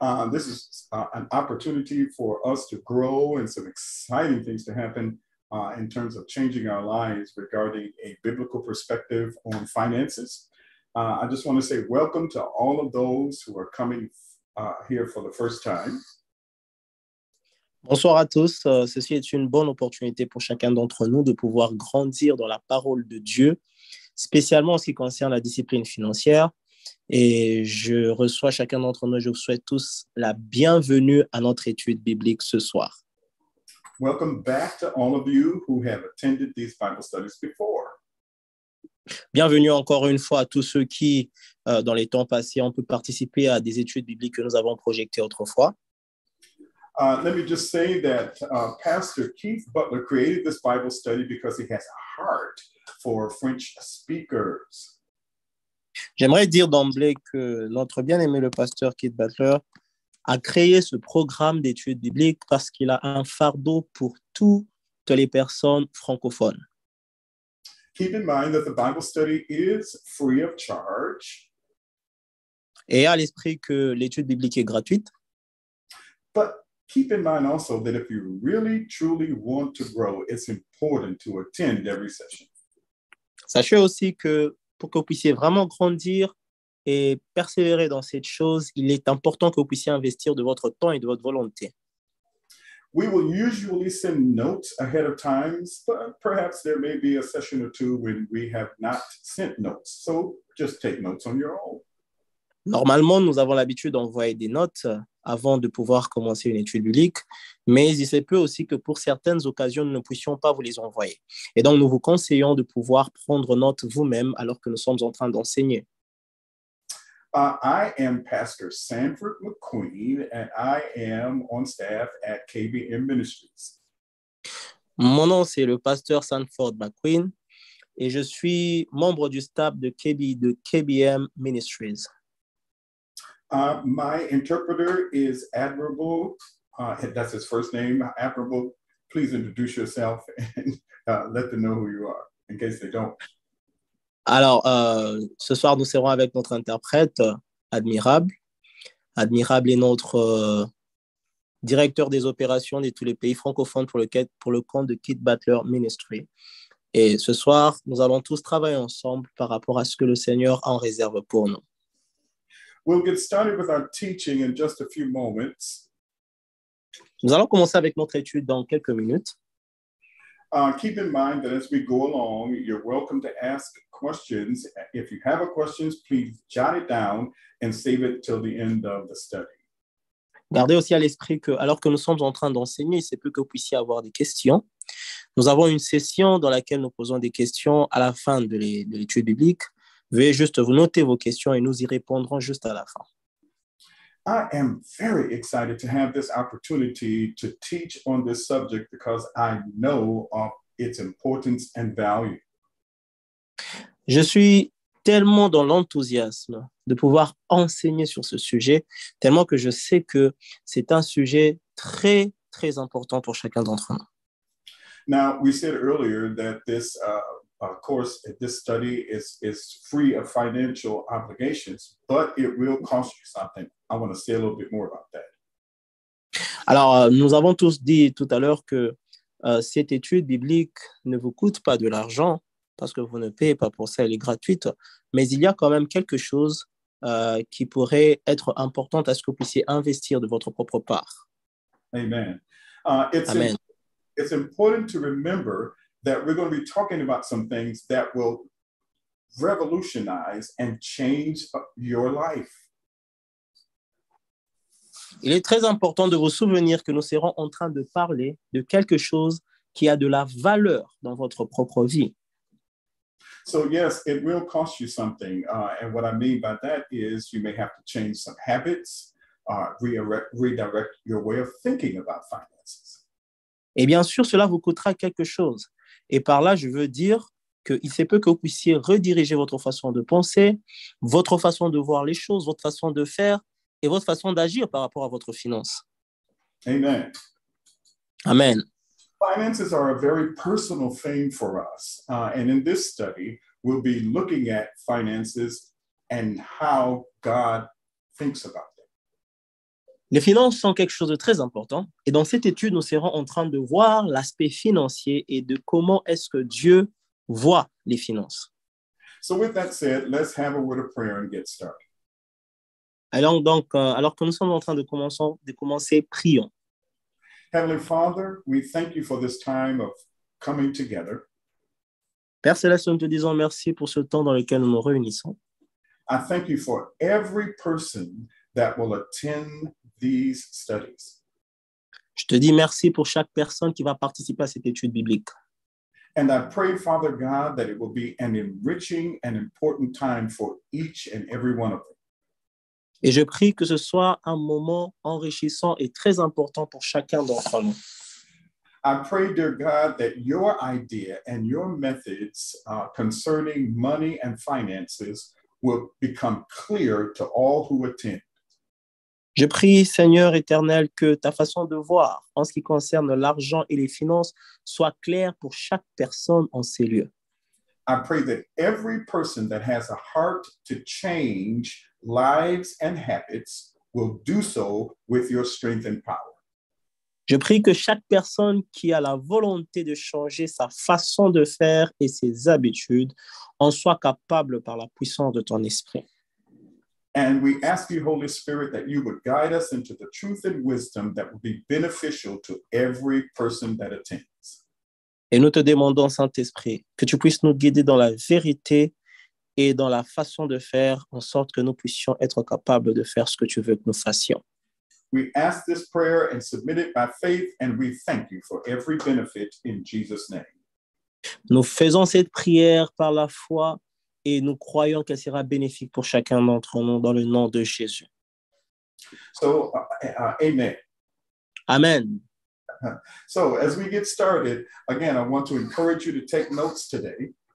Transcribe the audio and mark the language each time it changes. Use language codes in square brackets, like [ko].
[en] This is an opportunity for us to grow and some exciting things to happen in terms of changing our lives regarding a biblical perspective on finances. I just want to say welcome to all of those who are coming here for the first time. [fr] Bonsoir à tous. Ceci est une bonne opportunité pour chacun d'entre nous de pouvoir grandir dans la parole de Dieu, spécialement en ce qui concerne la discipline financière. Et je reçois chacun d'entre nous, je vous souhaite tous la bienvenue à notre étude biblique ce soir. [en] Welcome back to all of you who have attended these Bible studies before. [fr] Bienvenue encore une fois à tous ceux qui, dans les temps passés, ont pu participer à des études bibliques que nous avons projetées autrefois. [en] Let me just say that Pastor Keith Butler created this Bible study because he has a heart for French speakers. [fr] J'aimerais dire d'emblée que notre bien-aimé le pasteur Keith Butler a créé ce programme d'études bibliques parce qu'il a un fardeau pour toutes les personnes francophones. [en] Keep in mind that the Bible study is free of charge. [fr] Et à l'esprit que l'étude biblique est gratuite. [en] But keep in mind also that if you really truly want to grow, it's important to attend every session. [fr] Sachez aussi que pour que vous puissiez vraiment grandir et persévérer dans cette chose, il est important que vous puissiez investir de votre temps et de votre volonté. [en] We will usually send notes ahead of time, but perhaps there may be a session or two when we have not sent notes. So just take notes on your own. [fr] Normalement, nous avons l'habitude d'envoyer des notes avant de pouvoir commencer une étude biblique, mais il se peut aussi que pour certaines occasions, nous ne puissions pas vous les envoyer. Et donc, nous vous conseillons de pouvoir prendre note vous-même alors que nous sommes en train d'enseigner. [en] I am Pastor Sanford McQueen and I am on staff at KBM Ministries. [fr] Mon nom, c'est le pasteur Sanford McQueen et je suis membre du staff de KBM Ministries. [en] My interpreter is Admirable. That's his first name. Admirable, please introduce yourself and let them know who you are in case they don't. [fr] Alors, ce soir, nous serons avec notre interprète, Admirable. Admirable est notre directeur des opérations de tous les pays francophones pour le compte de Keith Butler Ministry. Et ce soir, nous allons tous travailler ensemble par rapport à ce que le Seigneur en réserve pour nous. [en] We'll get started with our teaching in just a few moments. [fr] Nous allons commencer avec notre étude dans quelques minutes. [en] Keep in mind that as we go along, you're welcome to ask questions. If you have a question, please jot it down and save it till the end of the study. [fr] Gardez aussi à l'esprit que, alors que nous sommes en train d'enseigner, c'est plus que vous puissiez avoir des questions. Nous avons une session dans laquelle nous posons des questions à la fin de l'étude biblique. Veuillez juste vous noter vos questions et nous y répondrons juste à la fin. [en] I am very excited to have this opportunity to teach on this subject because I know of its importance and value. [fr] Je suis tellement dans l'enthousiasme de pouvoir enseigner sur ce sujet, tellement que je sais que c'est un sujet très, très important pour chacun d'entre nous. [en] Now, we said earlier that this course, this study is free of financial obligations, but it will cost you something. I want to say a little bit more about that. [fr] Alors, nous avons tous dit tout à l'heure que cette étude biblique ne vous coûte pas de l'argent parce que vous ne payez pas pour ça, elle est gratuite. Mais il y a quand même quelque chose qui pourrait être important à ce que vous puissiez investir de votre propre part. Amen. [en] It's important to remember that we're going to be talking about some things that will revolutionize and change your life. [fr] Il est très important de vous souvenir que nous serons en train de parler de quelque chose qui a de la valeur dans votre propre vie. [en] So yes, it will cost you something. And what I mean by that is you may have to change some habits, redirect your way of thinking about finances. [fr] Et bien sûr, cela vous coûtera quelque chose. Et par là, je veux dire qu'il se peut que vous puissiez rediriger votre façon de penser, votre façon de voir les choses, votre façon de faire et votre façon d'agir par rapport à votre finance. Amen. Amen. [en] Finances are a very personal thing for us. And in this study, we'll be looking at finances and how God thinks about them. [fr] Les finances sont quelque chose de très important. Et dans cette étude, nous serons en train de voir l'aspect financier et de comment est-ce que Dieu voit les finances. [en] So with that said, let's have a word of prayer and get started. [fr] Alors, donc, alors que nous sommes en train de commencer, prions. [en] Heavenly Father, we thank you for this time of coming together. [fr] Père Céleste, nous te disons merci pour ce temps dans lequel nous nous réunissons. [en] I thank you for every person that will attend these studies. [fr] Je te dis merci pour chaque personne qui va participer à cette étude biblique. [en] And I pray, Father God, that it will be an enriching and important time for each and every one of them. [fr] Et je prie que ce soit un moment enrichissant et très important pour chacun d'entre nous. [en] I pray, dear God, that your idea and your methods concerning money and finances will become clear to all who attend. [fr] Je prie, Seigneur éternel, que ta façon de voir en ce qui concerne l'argent et les finances soit claire pour chaque personne en ces lieux. [en] I pray that every person that has a heart to change lives and habits will do so with your strength and power. [fr] Je prie que chaque personne qui a la volonté de changer sa façon de faire et ses habitudes en soit capable par la puissance de ton esprit. [en] And we ask you, Holy Spirit, that you would guide us into the truth and wisdom that would be beneficial to every person that attends. [fr] Et nous te demandons, Saint-Esprit, que tu puisses nous guider dans la vérité et dans la façon de faire en sorte que nous puissions être capables de faire ce que tu veux que nous fassions. [en] We ask this prayer and submit it by faith, and we thank you for every benefit in Jesus' name. [fr] Nous faisons cette prière par la foi et nous croyons qu'elle sera bénéfique pour chacun d'entre nous dans le nom de Jésus. [en] So, amen. Amen. So, as we get started, again, I want to encourage you to take notes today.